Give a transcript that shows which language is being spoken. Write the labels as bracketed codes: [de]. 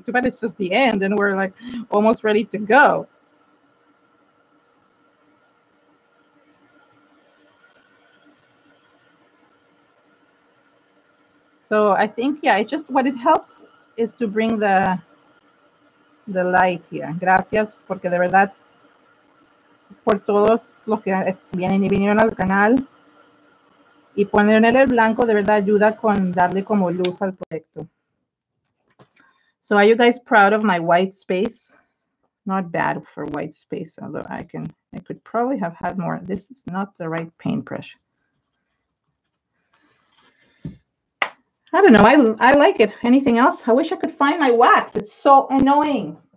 [en] Too bad it's just the end and we're like almost ready to go. So I think, yeah, it just what it helps is to bring the light here. [es] Gracias, porque de verdad, por todos los que vienen y vinieron al canal. Y ponerle el blanco de verdad ayuda con darle como luz al proyecto. [en] So are you guys proud of my white space? Not bad for white space, although I could probably have had more. This is not the right paintbrush. I don't know, I like it. Anything else? I wish I could find my wax. It's so annoying.